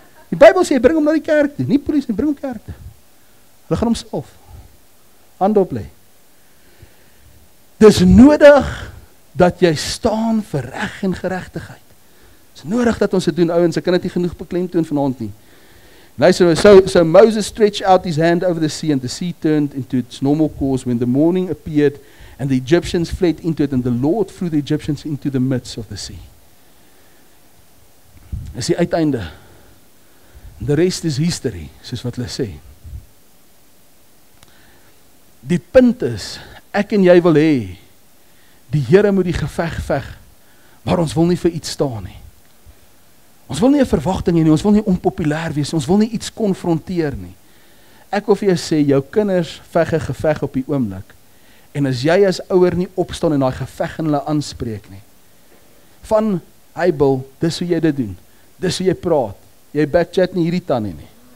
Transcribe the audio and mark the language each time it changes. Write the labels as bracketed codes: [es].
[af] Die Bijbel sê, bring hom na die kerk toe, nie polis, bring hom kerk toe. Hulle gaan hom salf. Hand op lê. Dis nodig dat jy staan vir reg en geregtigheid. Dis nodig dat ons dit doen, ouwens, ek kan dit nie genoeg beklemtoon vanavond nie. [en] Luister, so Moses stretched out his hand over the sea, and the sea turned into its normal course when the morning appeared, and the Egyptians fled into it, and the Lord threw the Egyptians into the midst of the sea. [af] Is die uiteinde. [en] The rest is history, [af] soos wat hulle sê. Die punt is, ek en jy wil hê, die Here moet die geveg veg, maar ons wil nie vir iets staan nie. Ons wil nie een verwachting hê nie, ons wil nie onpopulair wees, ons wil nie iets konfronteer nie. Ek wil vir jou sê, jou kinders veg een geveg op die oomblik, en as jy as ouer nie opstaan en die geveg in hulle aanspreek nie, van, hey Bill, dis hoe jy dit doen, dis hoe jy praat, jy backchat nie hierdie tannie nie.